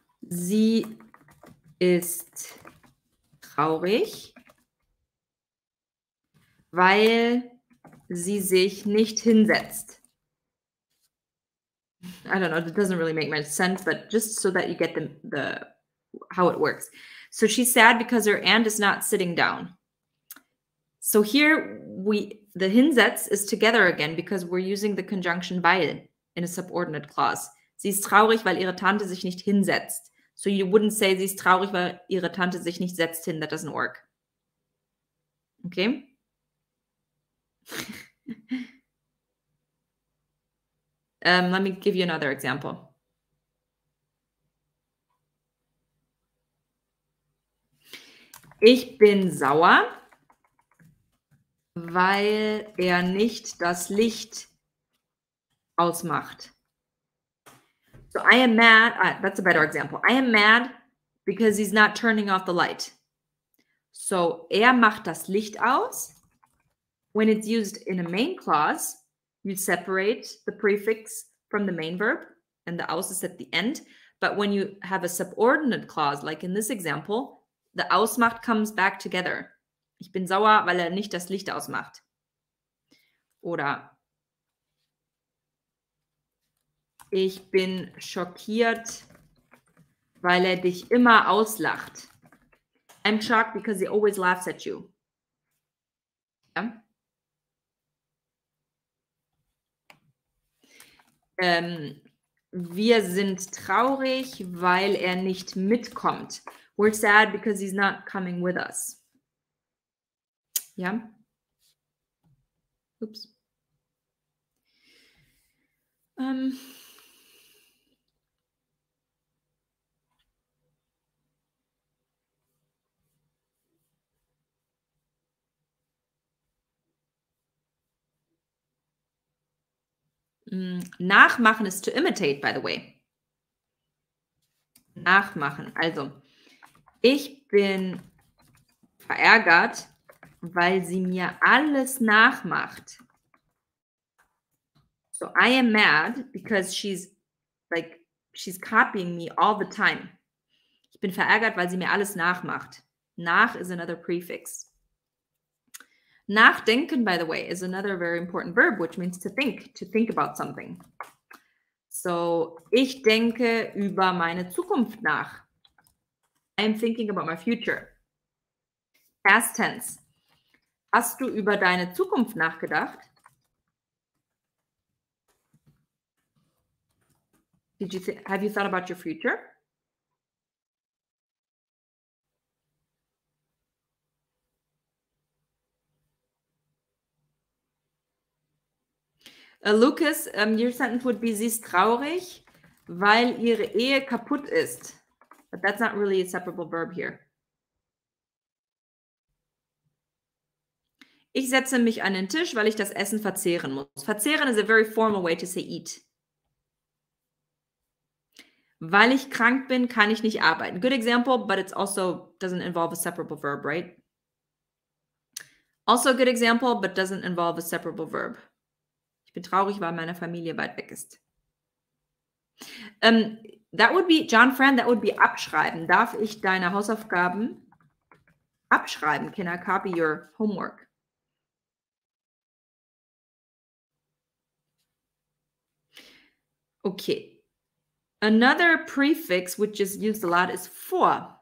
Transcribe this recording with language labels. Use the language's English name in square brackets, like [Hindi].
[German] Sie ist traurig, weil sie sich nicht hinsetzt. [English] I don't know, it doesn't really make much sense, but just so that you get the how it works. So she's sad because her aunt is not sitting down. So here the hinsetz is together again because we're using the conjunction weil in a subordinate clause. [German] Sie ist traurig, weil ihre Tante sich nicht hinsetzt. [English] So you wouldn't say, [German] sie ist traurig, weil ihre Tante sich nicht setzt hin. [English] That doesn't work. Okay? let me give you another example. [German] Ich bin sauer, weil er nicht das Licht ausmacht. [English] So I am mad, that's a better example. I am mad because he's not turning off the light. So [German] er macht das Licht aus. [English] When it's used in a main clause, you separate the prefix from the main verb and the aus is at the end. But when you have a subordinate clause, like in this example, the ausmacht comes back together. [German] Ich bin sauer, weil er nicht das Licht ausmacht. Oder ich bin schockiert, weil er dich immer auslacht. [English] I'm shocked because he always laughs at you. Yeah. [German] Wir sind traurig, weil er nicht mitkommt. [English] We're sad because he's not coming with us. Ja. Yeah. Oops. Nachmachen ist to imitate, by the way. nachmachen. [German] Also, ich bin verärgert, weil sie mir alles nachmacht. [English] So, I am mad because she's copying me all the time. [German] Ich bin verärgert, weil sie mir alles nachmacht. [English] Nach is another prefix. Nachdenken, by the way, is another very important verb, which means to think about something. [German] So, ich denke über meine Zukunft nach. [English] I'm thinking about my future. Past tense. [German] Hast du über deine Zukunft nachgedacht? [English] Have you thought about your future? Lucas, your sentence would be, [German] sie ist traurig, weil ihre Ehe kaputt ist. [English] But that's not really a separable verb here. [German] Ich setze mich an den Tisch, weil ich das Essen verzehren muss. [English] Verzehren is a very formal way to say eat. [German] Weil ich krank bin, kann ich nicht arbeiten. [English] Good example, but it's also doesn't involve a separable verb, right? Also a good example, but doesn't involve a separable verb. [German] Ich bin traurig, weil meine Familie weit weg ist. [English] That would be, John Fran, that would be abschreiben. [German] Darf ich deine Hausaufgaben abschreiben? [English] Can I copy your homework? Okay. Another prefix, which is used a lot, is vor.